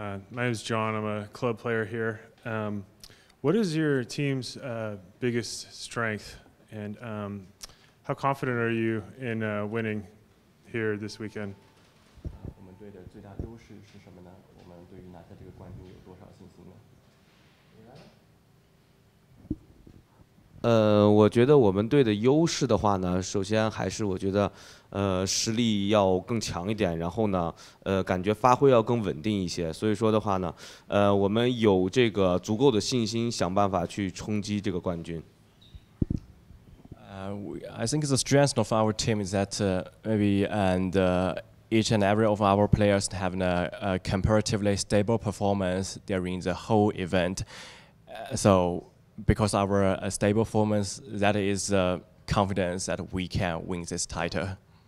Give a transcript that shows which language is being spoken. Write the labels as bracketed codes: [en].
[en] My name is John. I'm a club player here. What is your team's biggest strength, and how confident are you in winning here this weekend? [zh] 我们队的最大优势是什么呢？我们对于拿下这个冠军有多少信心呢？我觉得我们队的优势的话呢，首先还是我觉得，实力要更强一点，然后呢，感觉发挥要更稳定一些。所以说的话呢，我们有这个足够的信心，想办法去冲击这个冠军。 [en] I think the strength of our team is that each and every of our players have a comparatively stable performance during the whole event. So. Because our stable performance, that is confidence that we can win this title.